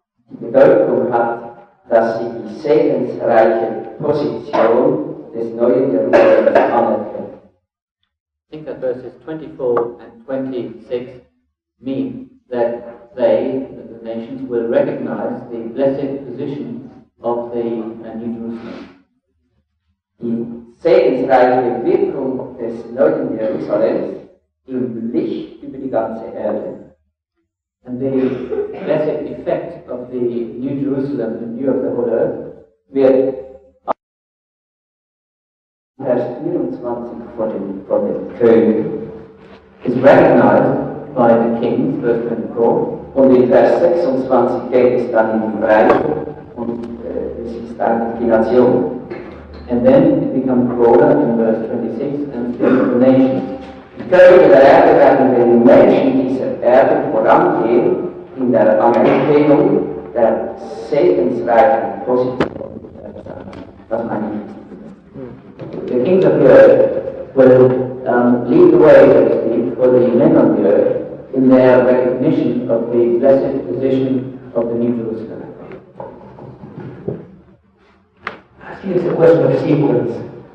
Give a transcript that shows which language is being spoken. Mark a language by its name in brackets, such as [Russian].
[German] Die Bedeutung hat, dass sie die segensreiche Position des neuen Jerusalems anerkennen. [English] I think that verses 24 and 26 mean that they, that the nations, will recognize the blessed position of the New Jerusalem. [German] Die segensreiche Wirkung des neuen Jerusalems im Licht über die ganze Erde. [English] And the blessed effect of the New Jerusalem, the view of the whole earth, [German] wird Vers 24 von dem König [English] is recognized by the kings, verse 24, [German] und in Vers 26 geht es dann in Reich und es ist dann die Nation. [English] And then it becomes broader in verse 26 and speaks of the nation. [German] Die Könige der Erde werden den Menschen dieser Erde vorangehen in der Anerkennung der segensreichen Position. Das meine ich. [English] The kings of the earth will lead the way, so to speak, for the men of the earth in their recognition of the blessed position of the New Jerusalem. I think it's a question of sequence.